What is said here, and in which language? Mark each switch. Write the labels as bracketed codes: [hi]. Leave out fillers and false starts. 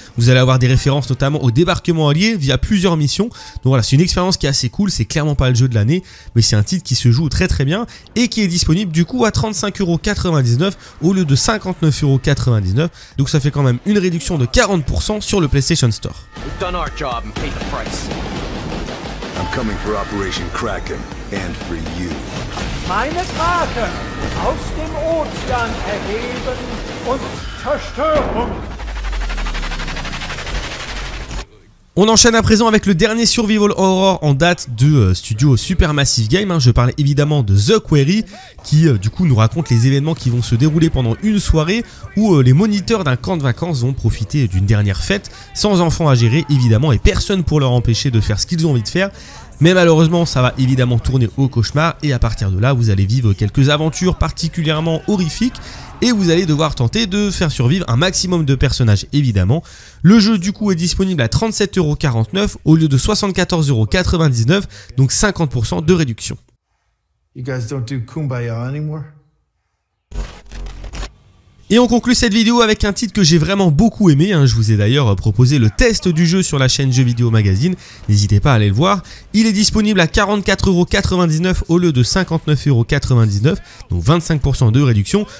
[fr] Vous allez avoir des références notamment au débarquement allié via plusieurs missions. Donc voilà, c'est une expérience qui est assez cool, c'est clairement pas le jeu de l'année, mais c'est un titre qui se joue très très bien et qui est disponible du coup à 35,99€ au lieu de 59,99€. Donc ça fait quand même une réduction de 40% sur le PlayStation Store. [en] We've done our job. I'm coming for Operation Kraken and for you. [de] Meine Tage aus dem Ozean erheben und Zerstörung. [fr] On enchaîne à présent avec le dernier survival horror en date de studio Supermassive Games. Je parle évidemment de The Quarry, qui du coup nous raconte les événements qui vont se dérouler pendant une soirée où les moniteurs d'un camp de vacances vont profiter d'une dernière fête, sans enfants à gérer évidemment et personne pour leur empêcher de faire ce qu'ils ont envie de faire. Mais malheureusement, ça va évidemment tourner au cauchemar et à partir de là, vous allez vivre quelques aventures particulièrement horrifiques. Et vous allez devoir tenter de faire survivre un maximum de personnages, évidemment. Le jeu, du coup, est disponible à 37,49€ au lieu de 74,99€, donc 50% de réduction. [en] You guys don't do kumbaya anymore? [fr] Et on conclut cette vidéo avec un titre que j'ai vraiment beaucoup aimé. Je vous ai d'ailleurs proposé le test du jeu sur la chaîne Jeux Vidéo Magazine. N'hésitez pas à aller le voir. Il est disponible à 44,99€ au lieu de 59,99€, donc 25% de réduction.